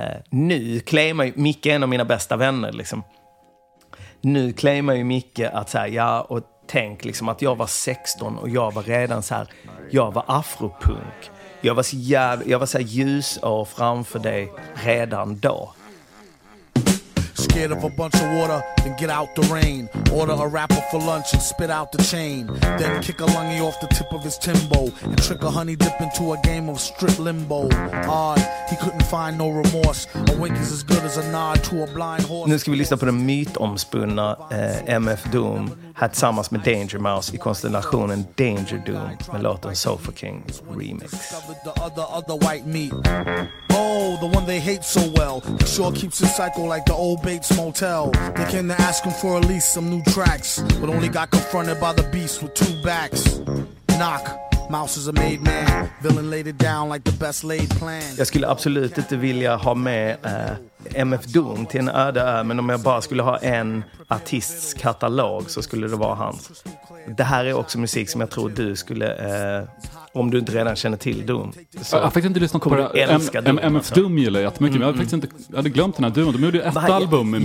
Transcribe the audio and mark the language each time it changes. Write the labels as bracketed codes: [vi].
[sv] Nu claimar ju Micke, en av mina bästa vänner, liksom. Nu claimar ju Micke att så här, ja, och tänk liksom att jag var 16 och jag var redan så här, jag var afropunk. Jag var så här ljus och framför dig redan då. [en] Scared of a bunch of water, then get out the rain. Order a rapper for lunch and spit out the chain. Then kick a lungy off the tip of his timbo and trick a honey dip into a game of strip limbo. Odd, he couldn't find no remorse. A wink is as good as a nod to a blind horse. [sv] Nu ska vi lyssna på den mytomspunna MF Doom här tillsammans med Danger Mouse i konstellationen Danger Doom med låten Sofa King Remix. [en] The other white meat. Oh, the one they hate so well. He sure keeps his cycle like the old Bates Motel. They came to ask him for at least some new tracks, but only got confronted by the beast with two backs. Knock, Mouse is a made man. Villain laid it down like the best laid plan. [sv] Jag skulle absolut inte vilja ha med MF Doom till en öde ö, men om jag bara skulle ha en artists katalog så skulle det vara hans. Det här är också musik som jag tror du skulle, om du inte redan känner till Doom. Så jag fick inte lyssna på det. MF Doom gillar jag jättemycket, men jag fick inte, jag hade glömt den här Doom. De gjorde ju ett album i 00-talet.